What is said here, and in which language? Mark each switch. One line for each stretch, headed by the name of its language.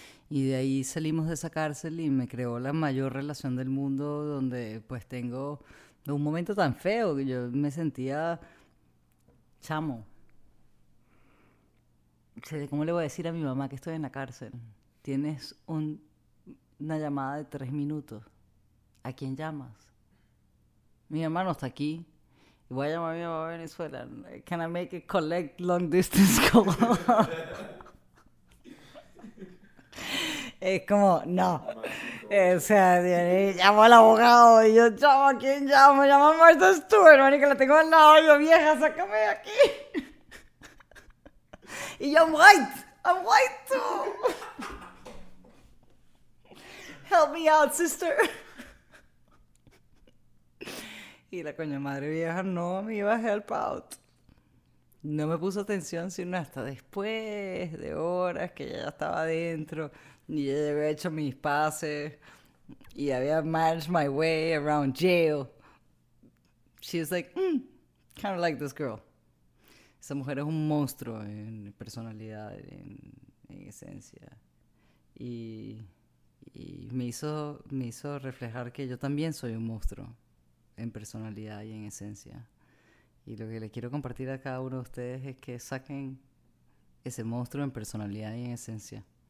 Spanish: Y de ahí salimos de esa cárcel y me creó la mayor relación del mundo, donde pues tengo un momento tan feo que yo me sentía chamo. Sé cómo le voy a decir a mi mamá que estoy en la cárcel. Tienes una llamada de 3 minutos. ¿A quién llamas? Mi mamá no está aquí. Y voy a llamar a mi mamá a Venezuela.
English: Can I make a collect long distance call?
Spanish: Es como, no. O sea, llamo al abogado y yo, llamo a quién llamo, llamo a Martha Stewart, marica, la tengo al lado, yo, vieja, sácame de aquí. Y yo,
English: I'm white too. Help me out, sister.
Spanish: Y la coña madre vieja no me iba a
English: help out.
Spanish: No me puso atención sino hasta después de horas que ya estaba adentro. Y ya había hecho mis pases y había
English: managed my way around jail. She was like, kind of like this girl.
Spanish: Esa mujer es un monstruo en personalidad, en esencia. Y me hizo reflejar que yo también soy un monstruo en personalidad y en esencia. Y lo que les quiero compartir a cada uno de ustedes es que saquen ese monstruo en personalidad y en esencia.